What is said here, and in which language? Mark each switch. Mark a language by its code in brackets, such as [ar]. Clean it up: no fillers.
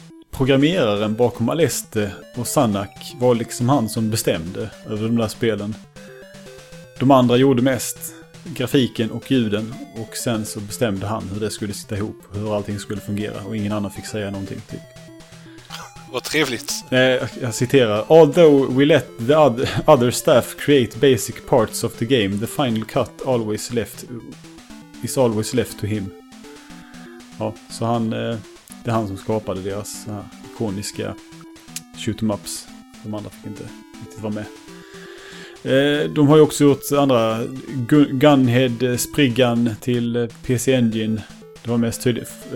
[sv] Programmeraren bakom Aleste och Sanak var liksom han som bestämde över de där spelen. De andra gjorde mest grafiken och ljuden, och sen så bestämde han hur det skulle sitta ihop, hur allting skulle fungera, och ingen annan fick säga någonting till. Vad trevligt. Jag citerar: [en] "Although we let the other staff create basic parts of the game, the final cut always left is always left to him." [sv] Ja, så han, det är han som skapade deras ikoniska shoot 'em ups. De andra fick inte riktigt vara med. De har ju också gjort andra Gunhead, Spriggan till PC Engine. Det var mest tydligt.